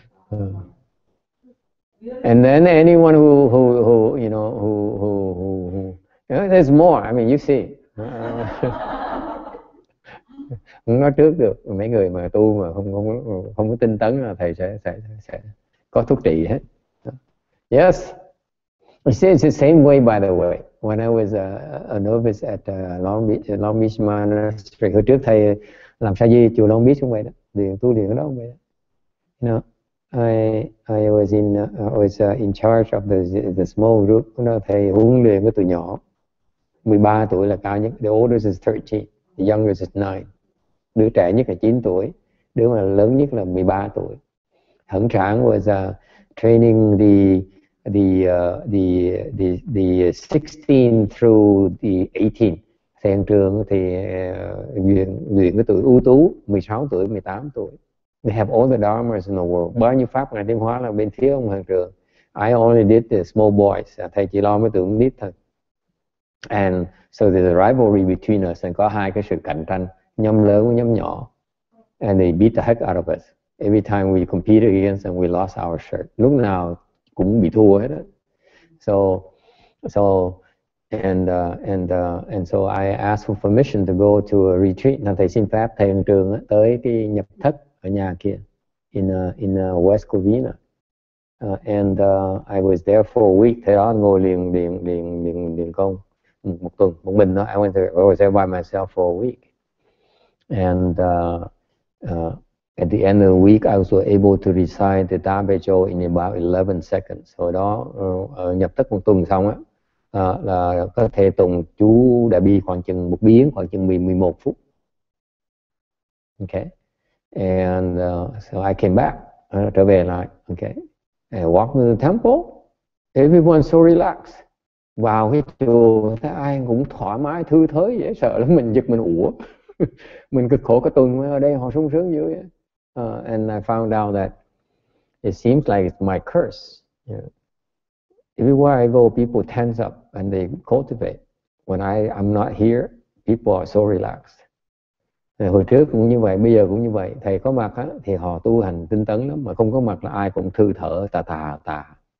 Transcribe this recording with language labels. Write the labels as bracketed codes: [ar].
[en] And then anyone who you know who you know, there's more. I mean, you see. [vi] Nói trước được mấy người mà tu mà không có tinh tấn là thầy sẽ có thuốc trị hết. [en] Yes. You see, it's the same way, by the way. When I was a novice at Long Beach Monastery, [vi] hồi trước thầy làm sa di chùa Long Beach không vậy đó, điện tu điện ở đâu vậy đó. [en] You know, I was in charge of the small group. You know, [vi] thầy huấn luyện cái tụi nhỏ, 13 tuổi là cao nhất. [en] The oldest is 13, the youngest is 9. [vi] Đứa trẻ nhất là 9 tuổi, đứa mà lớn nhất là 13 tuổi. [en] Hẳn trạng was training the 16 through the 18. [vi] Thầy hẳn trường thì luyện cái tuổi ưu tú, 16 tuổi, 18 tuổi. [en] They have all the dharmas in the world. [vi] Bao nhiêu pháp ngài tinh hóa là bên phía ông hẳn trường. [en] I only did the small boys. [vi] Thầy chỉ lo mấy tuổi ông nít thôi. [en] And so there's a rivalry between us, and [vi] có hai cái sự cạnh tranh, nhóm lớn với nhóm nhỏ. [en] And they beat the heck out of us. Every time we competed against them, we lost our shirt. [vi] Lúc nào cũng bị thua hết. [en] So I asked for permission to go to a retreat. [vi] Now, thầy xin phép thầy hiệu trưởng tới cái nhập thất ở nhà kia in West Covina. [en] I was there for a week. [vi] Thầy đó ngồi liền công một tuần, một mình đó. [en] I was there by myself for a week. At the end of the week, I was able to recite the Da Bei Zhou in about 11 seconds. [vi] Hồi đó nhập thất một tuần xong á, là có thể tụng chú Đại Bi khoảng chừng một biến, khoảng chừng 11 phút. [en] Okay. So I came back, [vi] trở về lại. [en] Okay. And walk into the temple, everyone so relaxed. [vi] Vào cái chùa, thấy ai cũng thoải mái, thư thới, dễ sợ lắm. Mình giật mình, ủa, mình cực khổ cả tuần mới ở đây, họ sung sướng dữ vậy. [en] And I found out that it seems like it's my curse. Yeah. Everywhere I go, people tense up and they cultivate. When I'm not here, people are so relaxed. [vi] Thì hồi trước cũng như vậy, bây giờ cũng như vậy. Thầy có mặt á, thì họ tu hành tinh tấn lắm, mà không có mặt là ai cũng thư thở, tà.